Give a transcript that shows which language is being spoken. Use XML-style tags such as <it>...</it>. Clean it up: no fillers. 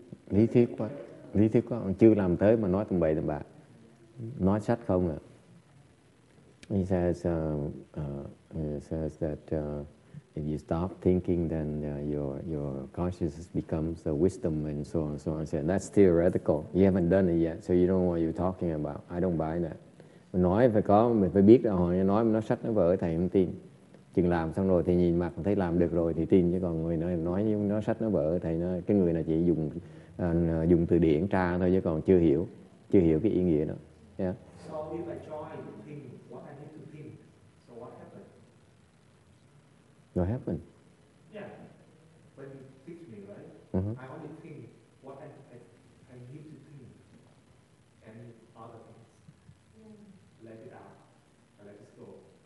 <vi>Lý thuyết quá, chưa làm tới mà nói tầm bậy tầm bạ, nói sách không à.</vi> <en>He says, he says that if you stop thinking, then your consciousness becomes the wisdom and so on and so on. I said, that's theoretical. You haven't done it yet, so you don't know what you're talking about. I don't buy that.</en> <vi>Mình nói phải có, mình phải biết là hồi nói mình nói sách nó vỡ, thầy không tin. Chừng làm xong rồi thì nhìn mặt thấy làm được rồi thì tin, chứ còn người nói nhưng nói sách nó vỡ, thầy nói cái người này chỉ dùng từ điển tra thôi chứ còn chưa hiểu cái ý nghĩa đó.</vi> <en>Yeah. So if I try to think what I need to think, so what happened? What happened? Yeah. When you teach me, right? Uh-huh. I only think what I need to think and other things. Let it out. Let it go.</en>